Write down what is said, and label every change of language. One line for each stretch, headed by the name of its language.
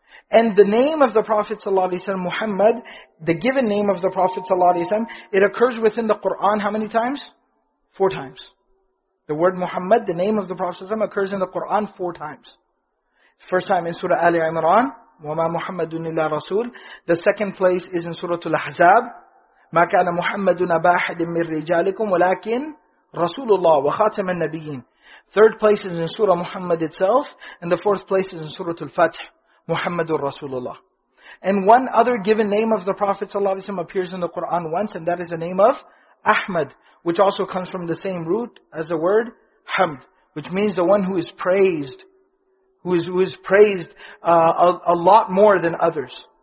English: And the name of the Prophet ﷺ, Muhammad, the given name of the Prophet ﷺ, it occurs within the Qur'an how many times? 4 times. The word Muhammad, the name of the Prophet ﷺ, occurs in the Qur'an 4 times. First time in Surah Ali Imran,
Arabic: وَمَا مُحَمَّدٌ إِلَّا رَسُولٌ.
English: The second place is in Surah Al-Ahzab,
Arabic: مَا كَانَ مُحَمَّدٌ أَبَا أَحَدٍ مِّن رِجَالِكُمْ وَلَكِنْ رَسُولُ اللَّهُ وَخَاتَمَ النَّبِيِّينَ.
English: Third place is in Surah Muhammad itself, and the fourth place is in Surah Al-Fath. Muhammadur Rasulullah. And one other given name of the Prophet ﷺ appears in the Quran once, and that is the name of Ahmad, which also comes from the same root as the word Hamd, which means the one who is praised, who is praised a lot more than others.